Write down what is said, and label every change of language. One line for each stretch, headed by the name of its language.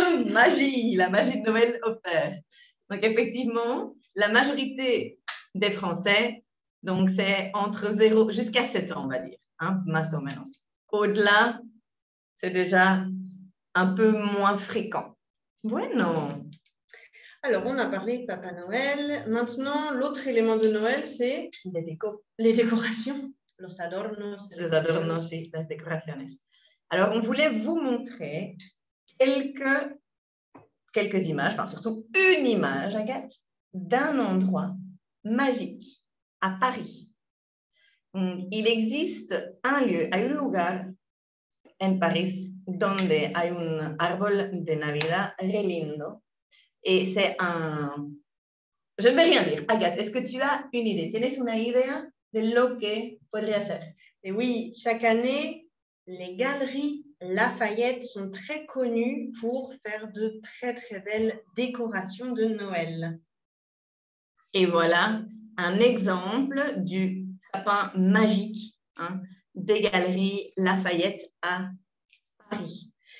French: Magie, la magie de Noël opère. Donc effectivement, la majorité des Français, donc c'est entre 0 jusqu'à 7 ans, on va dire, hein, masse ou moins. Au-delà, c'est déjà un peu moins fréquent.
Spanish: Bueno.
French: Alors, on a parlé de Papa Noël. Maintenant, l'autre élément de Noël, c'est les décorations.
Spanish: Los adornos. Los adornos, sí, las decoraciones.
French: Alors, on voulait vous montrer quelques images, enfin, surtout une image, Agathe, d'un endroit magique à Paris. Il existe un lieu,
Spanish: hay un lugar en Paris donde hay un árbol de Navidad re lindo.
French: Et c'est un... Je ne vais rien dire. Agathe, est-ce que tu as une idée?
Spanish: Tienes una idea de lo que podría ser?
French: Et oui, chaque année, les galeries Lafayette sont très connues pour faire de très, très belles décorations de Noël. Et voilà un exemple du sapin magique, hein, des galeries Lafayette à Paris.